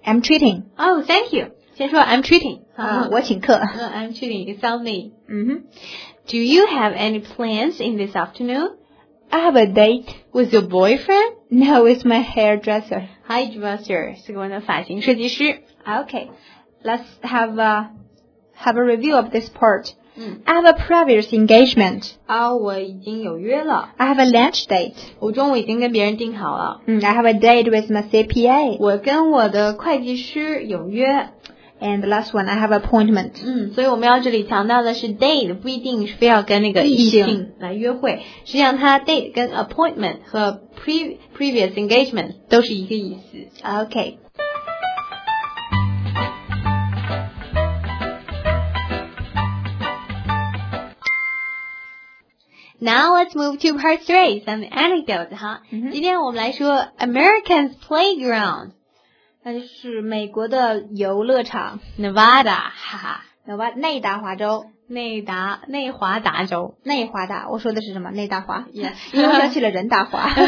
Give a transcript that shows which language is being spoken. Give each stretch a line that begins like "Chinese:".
English: I'm treating. Oh, thank you.
Chinese: 先说
English: I'm treating、
Chinese: 我请客、
English: I'm treating it's on me、 mm-hmm. Do you have any plans in this afternoon? I have a date with your boyfriend? No, it's my hairdresser.
Chinese: Hairdresser 是我的发型设计师。
English: Okay, let's have a review of this part、嗯、 I have a previous engagement、
Chinese: 我已经有约了。
English: I have a lunch date
Chinese: 我中午已经跟别人订好了、
English: 嗯、I have a date with my CPA
Chinese: 我跟我的会计师有约。
English: And the last one, I have appointment.
Chinese: 嗯，所以我们要这里强调的是 date 不一定是非要跟那个异性来约会。实际上，它 date 跟 appointment 和
English: previous engagement
Chinese: 都是一个意思。
English: Okay. Now let's move to part three, some anecdotes, huh? Mm-hmm.
Chinese: 今天我们来说
English: American's Playground.
Chinese: 那就是美国的游乐场 Nevada, 哈哈 Nevada, 内达华州。内华达州。内华达，我说的是什么？内达华。
English: Yes.
Chinese: 因为想起了人达华。